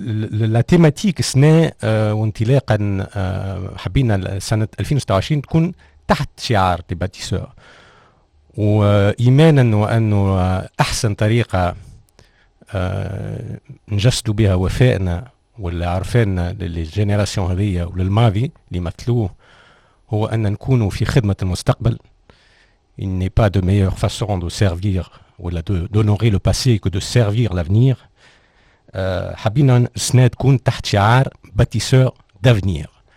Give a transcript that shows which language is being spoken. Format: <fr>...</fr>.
<ar>لا تيماتيك سنة وانطلاقا حبينا سنة 2026 تكون تحت شعار باتيسور، وإيمانا وأنه أحسن طريقة نجسد بها وفائنا والعرفاننا للجينيراسيون هذية وللماضي اللي مثلوه، هو أن نكون في خدمة المستقبل.</ar> <fr>Il n'est pas de meilleure façon de servir ou d'honorer le passé que de servir l'avenir.</fr> <ar>حبينا السنة تكون تحت شعار باتيسور دافنير.</ar>